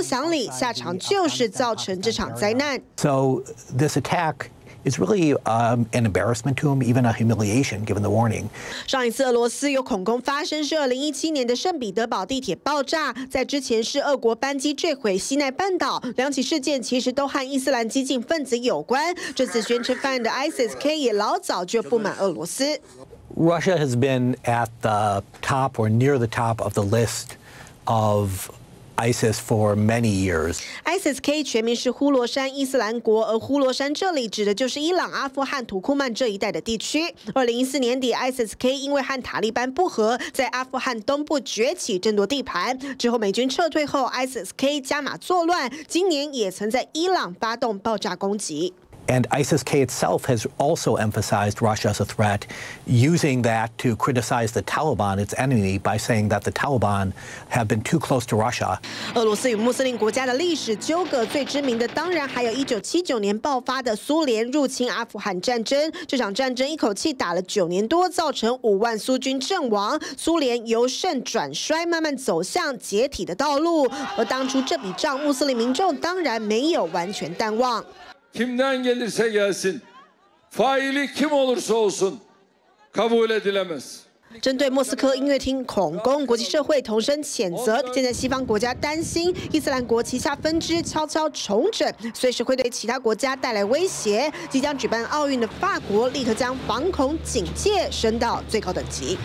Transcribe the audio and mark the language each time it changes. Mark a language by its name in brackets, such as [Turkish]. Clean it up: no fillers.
[English] So this attack is really an embarrassment to him, even a humiliation, given the warning. [Chinese] 上一次俄罗斯有恐攻发生是2017年的圣彼得堡地铁爆炸，在之前是俄国班机坠毁西奈半岛。两起事件其实都和伊斯兰激进分子有关。这次宣称犯案的 ISIS-K 也老早就不满俄罗斯。 [English] Russia has been at the top or near the top of the list of ISIS for many years. [Chinese] ISIS K 全名是呼罗珊伊斯兰国，而呼罗珊这里指的就是伊朗、阿富汗、土库曼这一带的地区。 2014年底 ，ISIS K 因为和塔利班不和，在阿富汗东部崛起，争夺地盘。之后美军撤退后 ，ISIS K 加码作乱，今年也曾在伊朗发动爆炸攻击。 [English] And ISIS-K itself has also emphasized Russia as a threat, using that to criticize the Taliban, its enemy, by saying that the Taliban have been too close to Russia. [Chinese] 俄罗斯与穆斯林国家的历史纠葛最知名的，当然还有1979年爆发的苏联入侵阿富汗战争。这场战争一口气打了九年多，造成50,000苏军阵亡，苏联由盛转衰，慢慢走向解体的道路。而当初这笔账，穆斯林民众当然没有完全淡忘。 [Turkish] Kimden gelirse gelsin, faili kim olursa olsun, kabul edilemez. [Chinese] 针对莫斯科音乐厅恐攻，国际社会同声谴责。现在西方国家担心伊斯兰国旗下分支悄悄重整，随时会对其他国家带来威胁。即将举办奥运的法国立刻将防恐警戒升到最高等级。